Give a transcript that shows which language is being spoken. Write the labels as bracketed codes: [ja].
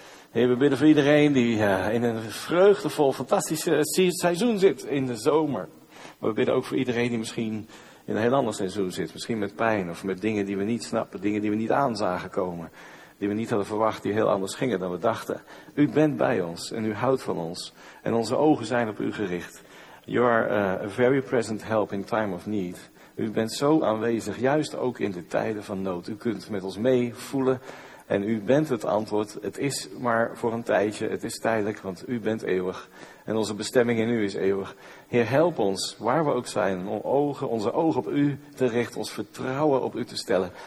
[nl] Heer, we bidden voor iedereen die in een vreugdevol, fantastische seizoen zit in de zomer. Maar we bidden ook voor iedereen die misschien in een heel ander seizoen zit. Misschien met pijn of met dingen die we niet snappen, dingen die we niet aanzagen komen. Die we niet hadden verwacht, die heel anders gingen dan we dachten. U bent bij ons en u houdt van ons. En onze ogen zijn op u gericht. [en] You are a very present help in time of need. [nl] U bent zo aanwezig, juist ook in de tijden van nood. U kunt met ons meevoelen en u bent het antwoord. Het is maar voor een tijdje, het is tijdelijk, want u bent eeuwig. En onze bestemming in u is eeuwig. Heer, help ons, waar we ook zijn, om onze ogen op u te richten, ons vertrouwen op u te stellen.